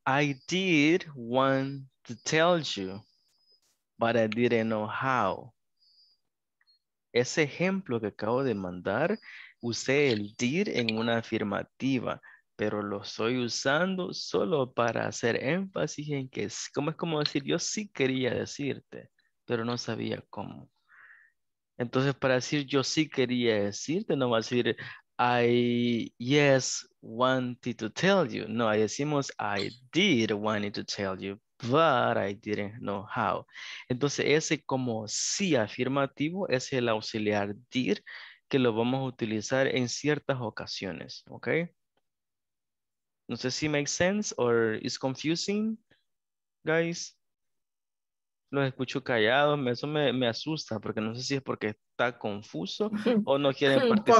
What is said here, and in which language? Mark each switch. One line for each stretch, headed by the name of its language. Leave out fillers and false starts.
English: I did want to tell you, but I didn't know how.
Spanish: Ese ejemplo que acabo de mandar, usé el did en una afirmativa, pero lo estoy usando solo para hacer énfasis en que como es como decir, yo sí quería decirte, pero no sabía cómo. Entonces, para decir yo sí quería decirte, no va a decir
English: I yes wanted to tell you.
Spanish: No, decimos
English: I did wanted to tell you, but I didn't know how.
Spanish: Entonces, ese como sí afirmativo es el auxiliar did que lo vamos a utilizar en ciertas ocasiones, ¿ok? No sé si
English: makes sense or is confusing, guys.
Spanish: Los escucho callados, eso me asusta porque no sé si es porque está confuso o no quieren participar.